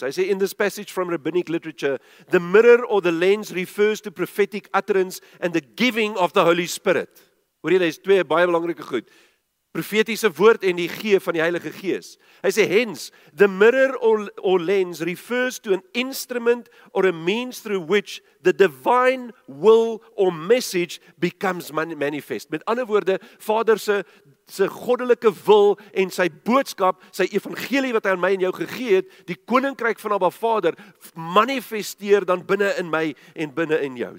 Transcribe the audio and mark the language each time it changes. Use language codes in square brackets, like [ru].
[af] Hy sê, [en] in this passage from rabbinic literature, the mirror or the lens refers to prophetic utterance and the giving of the Holy Spirit. [af] Hoor julle, dit is twee baie belangrike goed. Profetiese woord en die gee van die Heilige Gees. Hy sê, [en] hence, the mirror or lens refers to an instrument or a means through which the divine will or message becomes manifest. [af] Met ander woorde, Vader se goddelike wil en sy boodskap, sy evangelie wat hy aan my en jou gegee het, die koninkryk van Abba Vader, manifesteer dan binne in my en binne in jou.